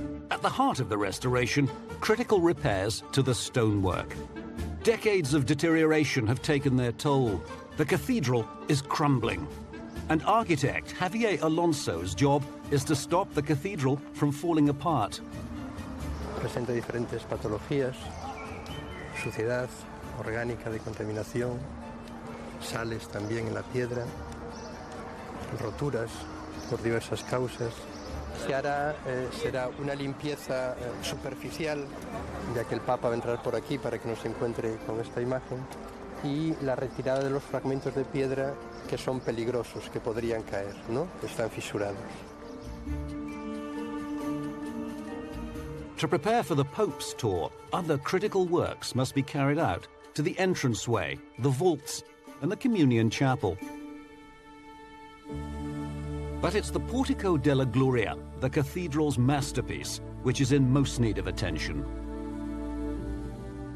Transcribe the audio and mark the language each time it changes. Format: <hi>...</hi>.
<en>At the heart of the restoration, critical repairs to the stonework. Decades of deterioration have taken their toll. The cathedral is crumbling. And architect Javier Alonso's job is to stop the cathedral from falling apart.</en> <es>Presenta diferentes patologías, suciedad orgánica de contaminación, sales también en la piedra, roturas por diversas causas. Se hará, será una limpieza superficial, ya que el Papa va a entrar por aquí para que no se encuentre con esta imagen, y la retirada de los fragmentos de piedra que son peligrosos, que podrían caer, ¿no? Están fisurados.</es> <en>To prepare for the Pope's tour, other critical works must be carried out to the entranceway, the vaults, and the communion chapel. But it's the Portico della Gloria, the cathedral's masterpiece, which is in most need of attention.</en>